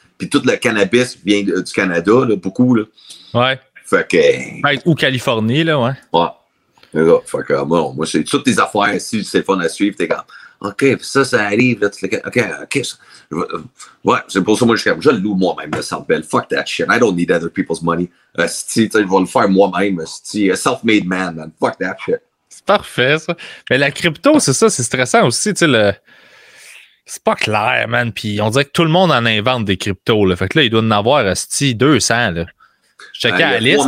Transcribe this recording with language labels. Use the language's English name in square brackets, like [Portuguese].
[French] Puis tout le cannabis vient du Canada, là, beaucoup. Là. Ouais. Fait que. Ou Californie, là, ouais. Ouais. Là, fait que, bon, moi, c'est toutes tes affaires ici, c'est fun à suivre. T'es comme, OK, ça arrive. Là, OK. Ouais, c'est pour ça, moi, je le loue moi-même, le South Bell. [English] Fuck that shit. I don't need other people's money. [French] Si, tu sais, je vais le faire moi-même. [English] Si, self-made man, man. Fuck that shit. [French] C'est parfait, ça. Mais la crypto, c'est ça, c'est stressant aussi, tu sais, le. C'est pas clair, man. Puis on dirait que tout le monde en invente des cryptos. Là. Fait que là, il doit en avoir, sti, 200. Là. Checker à liste.